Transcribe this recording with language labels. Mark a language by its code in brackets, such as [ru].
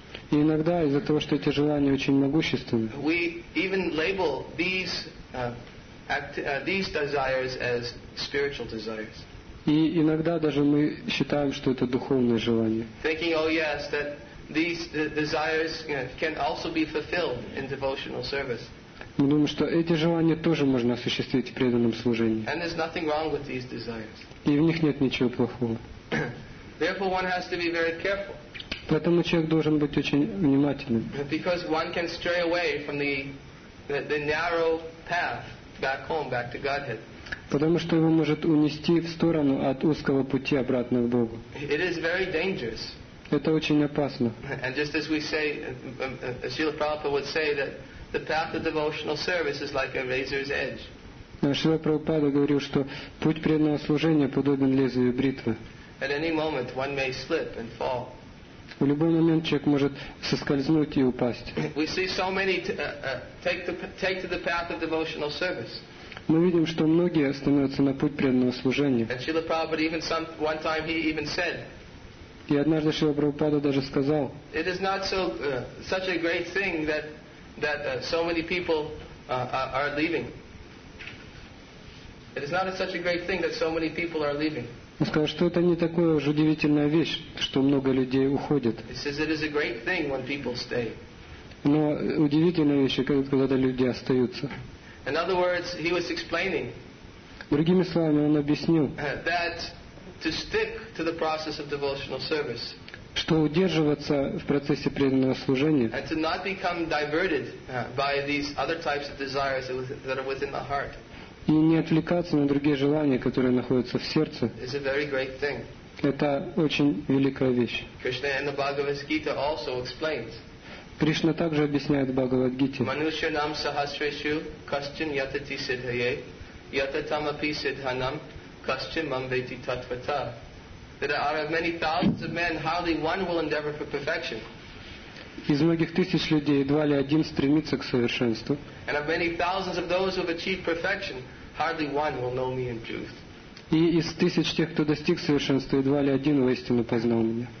[ru] И иногда из-за того, что эти желания очень могущественны, [en] we even label these desires as spiritual desires. [ru] И иногда даже мы считаем, что это духовные желания. [en] Thinking, oh yes, that these desires can also be fulfilled in devotional service. [ru] Мы думаем, что эти желания тоже можно осуществить в преданном служении. [en] And there's nothing wrong with these desires. [ru] И в них нет ничего плохого. [en] Therefore, one has to be very careful. [ru] Поэтому человек должен быть очень внимательным. [en] Because one can stray away from the narrow path back home, back to Godhead. [ru] Потому что его может унести в сторону от узкого пути обратно к Богу. [en] It is very dangerous. [ru] Это очень опасно. [en] And just as we say, as Srila Prabhupada would say, that the path of devotional service is like a razor's edge. [ru] Шрила Прабхупада говорил, что путь преданного служения подобен лезвию бритвы. [en] At any moment one may slip and fall. [ru] В любой момент человек может соскользнуть и упасть. [en] We see so many take to the path of devotional service. [ru] Мы видим, что многие становятся на путь преданного служения. [en] And Srila Prabhupada even one time he even said. [ru] И однажды Шрила Прабхупада даже сказал. [en] It is not so such a great thing that so many people are leaving. It is not such a great thing that so many people are leaving. [ru] Он сказал, что это не такое уж удивительная вещь, что много людей уходит. [en] He says it is a great thing when people stay. [ru] Но удивительная вещь, когда люди остаются. [en] In other words, he was explaining. [ru] Другими словами, он объяснил. [en] That to stick to the process of devotional service. [ru] Что удерживаться в процессе преданного служения, [en] and to not become diverted by these other types of desires that are within the heart, [ru] и не отвлекаться на другие желания, которые находятся в сердце, [en] is a very great thing. [ru] Это очень великая вещь. [en] Krishna in the Bhagavad Gita also explains. [ru] Кришна также объясняет в Бхагавад Гите. [sa] Manushyanam sahasreshu kaschin yatati siddhaye yatatamapi siddhanam kaschin mambeti tatvata. [en] That out of many thousands of men, hardly one will endeavor for perfection. [ru] Из многих тысяч людей едва ли один стремится к совершенству. [en] And of many thousands of those who have achieved perfection, hardly one will know me in truth. [ru] И из тысяч тех, кто достиг совершенства, едва ли один воистину познал меня.